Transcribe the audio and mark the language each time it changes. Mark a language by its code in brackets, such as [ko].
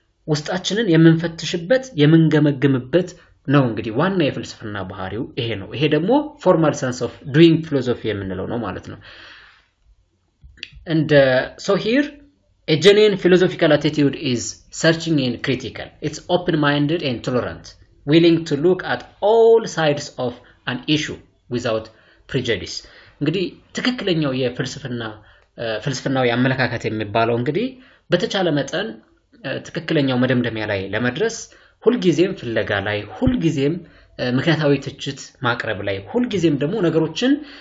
[am] ውስጣችንን የምንፈትሽበት የምንገመግምበት ነው። እንግዲህ ዋና የፍልስፍና ባህሪው ይሄ ነው። ይሄ ደግሞ [en] ፎርማል ሰንስ ኦፍ ዱይንግ ፊሎሶፊ [am] የምንለው ነው ማለት ነው። እንደ [en] ሶ ሂር a genuine philosophical attitude is searching and critical. It's open-minded and tolerant, willing to look at all sides of an issue without prejudice. [am] እንግዲህ ትክክለኛው የፍልስፍና ፍልስፍናው ያመለካከት የሚባለው እንግዲህ በተቻለ መጠን ትክክለኛው መደምደሚያ ላይ ለመድረስ ሁልጊዜም ፍለጋ ላይ፣ ሁልጊዜም ምክንያታዊ ትችት ማቅረብ ላይ፣ ሁልጊዜም ደግሞ ነገሮችን